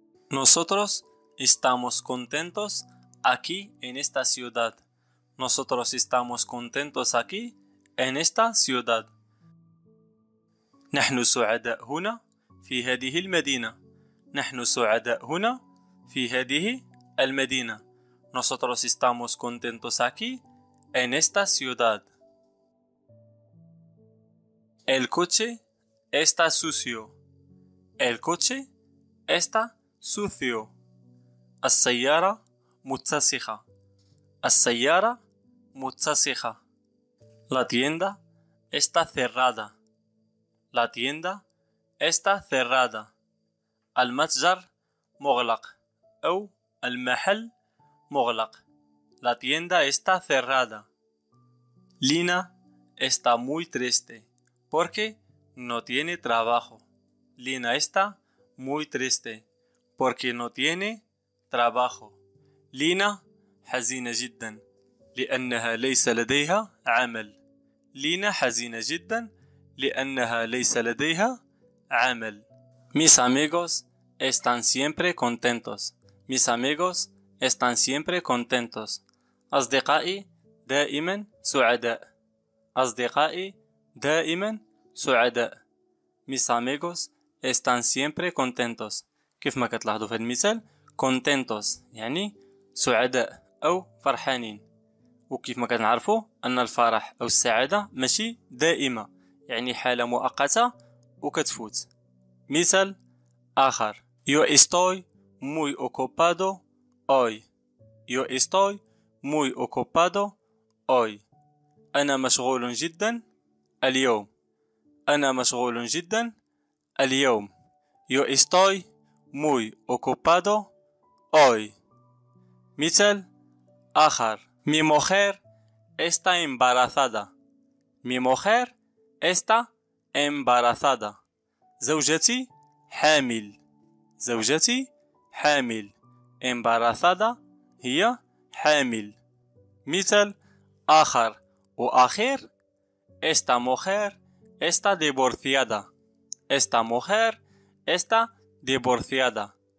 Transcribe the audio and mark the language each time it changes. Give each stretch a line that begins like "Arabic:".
Spanish: Nosotros estamos contentos aquí en esta ciudad. Nosotros estamos contentos aquí en esta ciudad.
Arabic: نحن سعداء هنا في هذه المدينة. نحن سعداء هنا في هذه المدينة.
Spanish: Nosotros estamos contentos aquí en esta ciudad. El coche está sucio. El coche está sucio.
Arabic: السيارة متسخة. السيارة متسخة.
Spanish: La tienda está cerrada. La tienda está cerrada.
Arabic: المتجر مغلق أو المحل مغلق.
Spanish: La tienda está cerrada. Lina está muy triste porque no tiene trabajo. Lina está muy triste porque no tiene trabajo.
Arabic: Lina حزينة جدا لأنها ليس لديها عمل. Lina حزينة جدا لأنها ليس لديها عمل.
Spanish: Mis amigos están siempre contentos. Mis amigos están siempre contentos.
Arabic: أصدقائي دائما سعداء. أصدقائي دائما سعداء.
Spanish: Mis amigos están siempre contentos.
Arabic: كيف ما كتلاحظوا في المثال contentos يعني سعداء أو فرحانين. وكيف ما كنعرفوا أن الفرح أو السعادة ماشي دائمة يعني حالة مؤقتة وكتفوت. مثال آخر.
Spanish: Yo estoy muy ocupado hoy. Yo estoy muy ocupado hoy.
Arabic: أنا مشغول جدا اليوم. أنا مشغول جدا اليوم.
Spanish: Yo estoy muy ocupado hoy. مثال آخر. Mi mujer está embarazada. Mi mujer está embarazada.
Arabic: زوجتي حامل. زوجتي حامل. Embarazada هي حامل. مثال آخر وآخر.
Spanish: Esta mujer está divorciada. Esta mujer está divorciada.